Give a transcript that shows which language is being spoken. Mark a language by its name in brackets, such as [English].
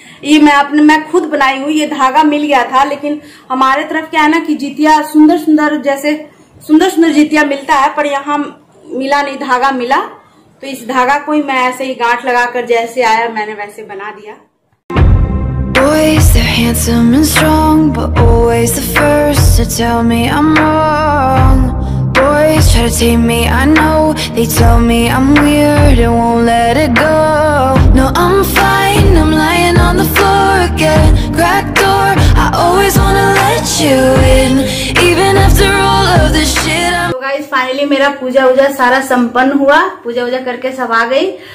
[Hindi] ये मैं खुद बनाई हूँ, ये धागा मिल गया था लेकिन हमारे तरफ क्या है ना कि जितिया सुंदर सुंदर जैसे सुंदर सुंदर जितिया मिलता है पर यहाँ मिला नहीं, धागा मिला तो इस धागा को ही मैं ऐसे ही गांठ लगा कर जैसे आया मैंने वैसे बना दिया। [English] Boys, they're handsome and strong, but always the first to tell me I'm wrong. Boys try to tame me, I know, they tell me I'm weird and won't let it go. No, I'm fine, I'm lying on the floor again. Crack door, I always wanna let you in, even after all of this shit I'm... So guys, finally [Hindi] मेरा पूजा उजा सारा संपन्न हुआ, पूजा उजा करके सब आ गई।